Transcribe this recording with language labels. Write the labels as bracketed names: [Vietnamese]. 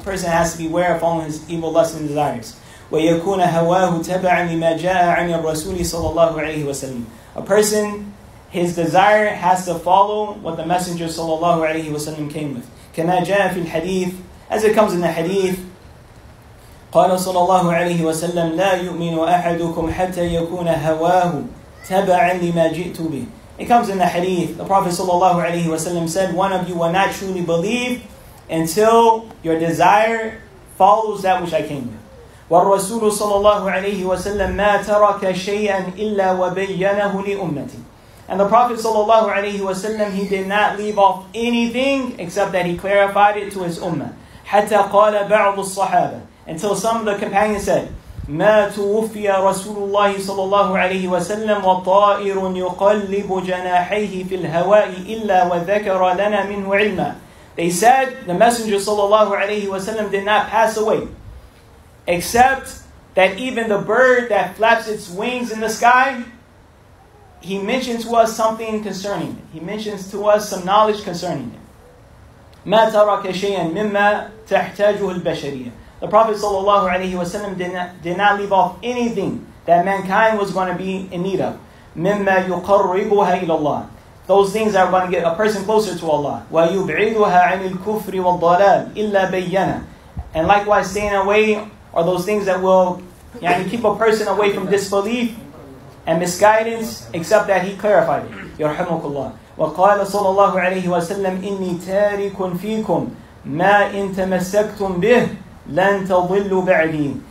[English] A person has to be aware of following his evil lusts and desires. [Arabic] وَيَكُونَ هَوَاهُ تَبَعًا لِمَا جَاءَ عَنِ الرَّسُولِ صَلَى اللَّهُ عَلَيْهِ وَسَلِّمْ. [English] A person, his desire has to follow what the Messenger صلى الله عليه وسلم came with. [Arabic] كَمَا جَاءَ فِي الْحَدِيثِ. [English] As it comes in the hadith, [Arabic] قال صلى الله عليه وسلم لا يؤمن أحدكم حتى يكون هواه تبعا لما جئت به. [English] It comes in the hadith, the Prophet صلى الله عليه وسلم said, one of you will not truly believe until your desire follows that which I came with. [Arabic] والرسول صلى الله عليه وسلم ما ترك شيئا إلا وبينه لأمتي. [English] And the Prophet صلى الله عليه وسلم, he did not leave off anything except that he clarified it to his ummah. [Arabic] حتى قال بعض الصحابة. [English] Until some of the companions said, [Arabic] ما توفي رسول الله صلى الله عليه وسلم وطائر يقلب جناحيه في الهواء إلا وذكر لنا منه علما. [English] They said the Messenger صلى الله عليه وسلم did not pass away, except that even the bird that flaps its wings in the sky, he mentions to us something concerning it. He mentions to us some knowledge concerning it. [Arabic] ما ترك شيئا مما تحتاجه البشرية. [English] The Prophet sallallahu alaihi wasallam did not leave off anything that mankind was going to be in need of. [Arabic] مما يقربها إلى الله. [English] Those things that are going to get a person closer to Allah. [Arabic] ويبعدها عن الكفر والضلال إلا بينا. [English] And likewise, staying away are those things that will keep a person away from disbelief and misguidance, except that he clarified it. [Arabic] يرحمك الله. وقال صلى الله عليه وسلم إني تارك فيكم ما إن تمسكتم به لن تضلوا بعدي.